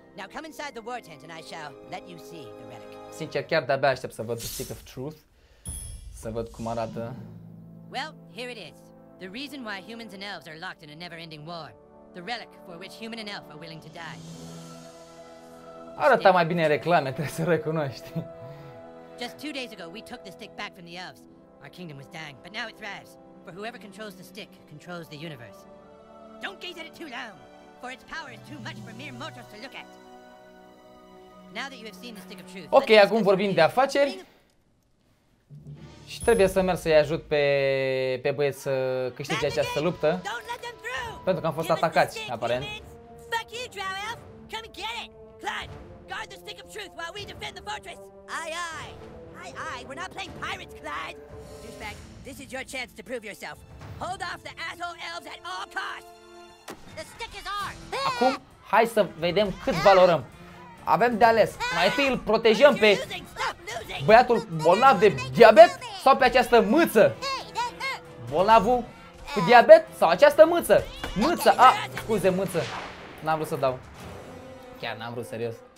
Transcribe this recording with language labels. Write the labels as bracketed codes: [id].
[en] Now come inside the war tent and I shall let you see the relic. [ro] Sincer, chiar de-abia aștept să văd the Stick of Truth. Să văd cum arată. [en] Well, here it is. The reason why humans and elves are locked in a never-ending war. The relic for which human and elf are willing to die. [ro] Arăta mai bine reclame, trebuie să recunoști. [en] Just 2 days ago, we took the stick back from the elves. Our kingdom was dying, but now it thrives. For whoever controls the stick controls the universe. Don't gaze at it too long, for its power is too much for mere mortals to look at. Now that you have seen the stick of truth. [ro] Ok, acum vorbim de afaceri. Și trebuie să merg să-i ajut pe băieți să câștige această luptă. Pentru că am fost atacați, aparent. [en] Fuck you, Drow Elf! Come and get it! Clyde, guard the stick of truth while we defend the fortress! Aye, we're not playing pirates, Clyde! Douchebag, this is your chance to prove yourself. Hold off the asshole elves at all costs! The stick is ours! [ro] Acum, hai să vedem cât valorăm. Avem de ales. Mai întâi îl protejăm pe băiatul bolnav de diabet sau pe această mâță. Bolnavul cu diabet sau această mâță. Mâță, scuze, mâță. N-am vrut să dau. Chiar n-am vrut, serios.